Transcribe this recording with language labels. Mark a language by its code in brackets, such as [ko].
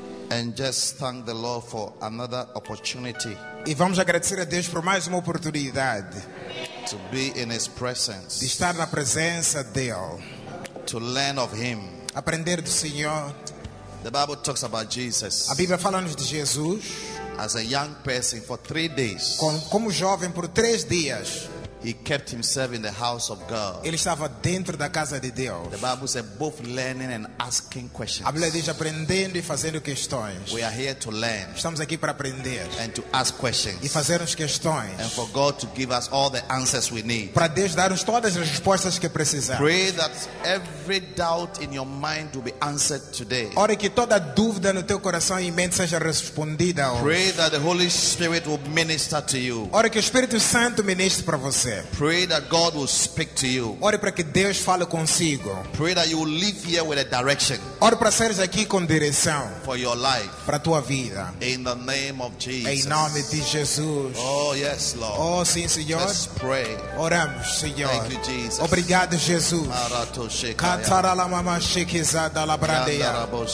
[en] And just thank the Lord for another opportunity. [pt] E vamos agradecer a Deus por mais uma oportunidade. [en] To be in His presence. [pt] De estar na presença dele. [en] To learn of Him. [pt] Aprender do Senhor. [en] The Bible talks about Jesus. [pt] A Bíblia fala-nos de Jesus. [en] As a young person for 3 days. [pt] Como jovem por 3 dias. [en] He kept himself in the house of God. [pt] Ele estava dentro da casa de Deus. [en] The Bible says both learning and asking questions. [pt] A Bíblia diz aprendendo e fazendo questões. [en] We are here to learn. [pt] Estamos aqui para aprender. [en] And to ask questions. [pt] E fazermos questões. [en] And for God to give us all the answers we need. [pt] Para Deus dar-nos todas as respostas que precisamos. [en] Pray that every doubt in your mind will be answered today. [pt] Ore que toda dúvida no teu coração e mente seja respondida hoje. [en] Pray that the Holy Spirit will minister to you. [pt] Ore que o Espírito Santo ministre para você. [en] Pray that God will speak to you. [pt] Ore para que Deus fale consigo. [en] Pray that you will live here with a direction. [pt] Ore para seres aqui com direção. [en] For your life. [pt] Para tua vida. [en] In the name of Jesus. [pt] Em nome de Jesus. [en] Oh yes, Lord. [pt] Oh sim, Senhor. [en] Let's pray. [pt] Oramos, Senhor. [en] Thank you, Jesus. [pt] Obrigado, Jesus. Katarala mama shikiza dalabradeya.